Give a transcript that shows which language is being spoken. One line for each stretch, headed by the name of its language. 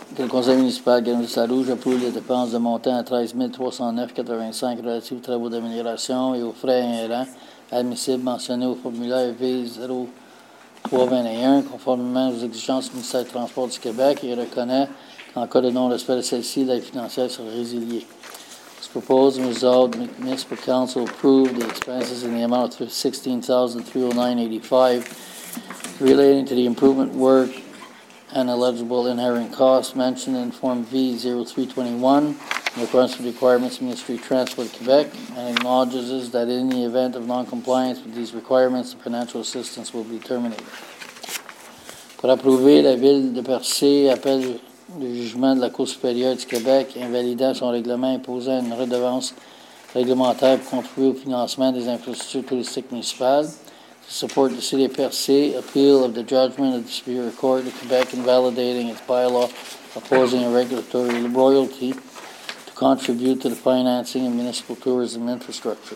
French: Que le conseil municipal de Grande-Rouge approuve les dépenses de montant à $13,309.85 relatives aux travaux d'amélioration et aux frais inhérents admissibles mentionnés au formulaire V0321 conformément aux exigences du ministère des Transports du Québec et reconnaît qu'en cas de non-respect de celle-ci, l'aide financière sera résiliée.
English: This proposed result, municipal council approved the expenses in the amount of $16,309.85 relating to the improvement work and eligible inherent costs mentioned in Form V0321 in accordance with requirements of Ministry of Transport Quebec and acknowledges that in the event of non-compliance with these requirements, the financial assistance will be terminated.
French: Pour approuver, la Ville de Percé appelle le jugement de la Cour supérieure du Québec invalidant son règlement imposant une redevance réglementaire pour contribuer au financement des infrastructures touristiques municipales.
English: To support the City of Percé, appeal of the judgment of the Superior Court of Quebec invalidating its bylaw opposing a regulatory royalty to contribute to the financing of municipal tourism infrastructure.